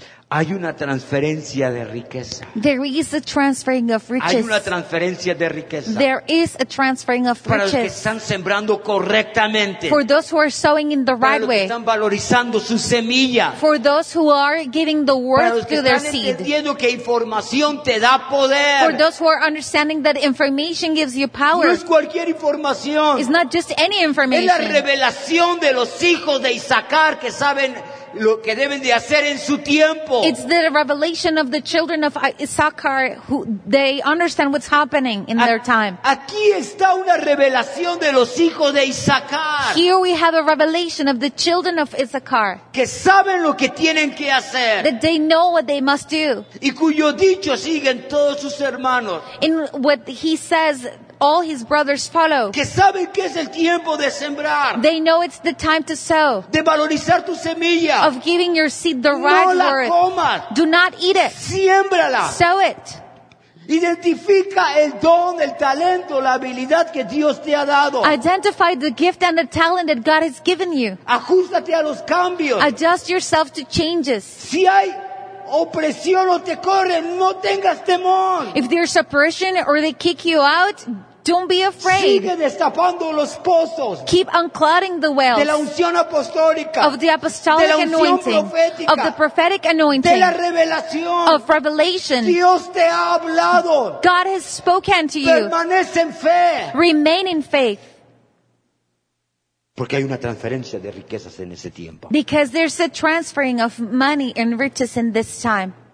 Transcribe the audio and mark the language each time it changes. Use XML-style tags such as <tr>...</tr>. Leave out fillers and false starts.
<es>Hay una transferencia de riqueza.</es> <en>There is a transferring of riches.</en> <es>Hay una transferencia de riqueza.</es> <en>There is a transferring of</en> <es>para</es> <en>riches.</en> <es>Para los que están sembrando correctamente.</es> <en>For those who are sowing in the</en> <es>para</es> <en>right way.</en> <es>Para los que están valorizando su semilla.</es> <en>For those who are giving the word to their seed.</en> <es>Para los que están entendiendo que información te da poder.</es> <en>For those who are understanding that information gives you power.</en> <es>No es cualquier información.</es> <en>It's not just any information.</en> <es>Es la revelación de los hijos de Isaacar que saben lo que deben de hacer en su tiempo.</es> <en>It's the revelation of the children of Issachar who they understand what's happening in their time.</en> <es>Aquí está una revelación de los hijos de Issachar.</es> <en>Here we have a revelation of the children of Issachar.</en> <es>Que saben lo que tienen que hacer.</es> <en>That they know what they must do.</en> <es>Y cuyo dicho siguen todos sus hermanos.</es> <en>In what he says all his brothers follow.</en> <es>Que saben que es el tiempo de sembrar.</es> <en>They know it's the time to sow.</en> <es>De valorizar tu semilla.</es> <en>Of giving your seed the right word. Do not eat it.</en> <es>Siémbrala.</es> <en>Sow it.</en> <es>Identifica el don, el talento, la habilidad que Dios te ha dado.</es> <en>Identify the gift and the talent that God has given you.</en> <es>Ajústate a los cambios.</es> <en>Adjust yourself to changes.</en> <es>Si hay opresión o te corren, no tengas temor.</es> <en>If there's oppression or they kick you out, don't be afraid.</en> <es>Sigue destapando los pozos.</es> <en>Keep unclogging the wells.</en> <es>De la unción apostólica.</es> <en>Of the apostolic</en> <es>de la unción</es> <en>anointing.</en> <es>Profética.</es> <en>Of the prophetic anointing.</en> <es>De la revelación.</es> <en>Of revelation.</en> <es>Dios te ha hablado.</es> <en>God has spoken to you.</en> <es>Permanece en fe.</es> <en>Remain in faith.</en> <es>Porque hay una transferencia de riquezas en ese tiempo.</es> <en>Because there's a transferring of money and riches in this time.</en>